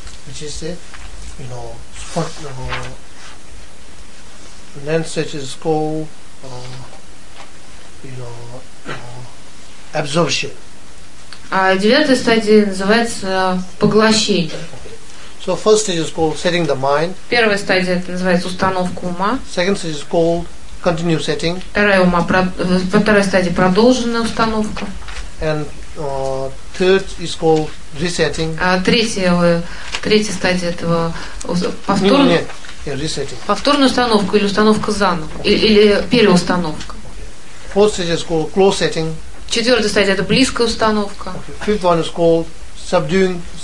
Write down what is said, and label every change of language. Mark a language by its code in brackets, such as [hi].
[en] Which is the, you know, spot, 9 stages called, you know, absorption. [ru] А девятая стадия называется поглощение. [en] So first stage is called setting the mind. [ru] Первая стадия это называется установка ума. [en] Second stage is called continue setting. [ru] Вторая стадия продолженная установка. [en] And third is called resetting. [ru] А третья стадия этого повторная установка или установка заново или переустановка. [en] Fourth stage is called close setting. [ru] Четвертая стадия это близкая установка. [en] Fifth one is called subduing.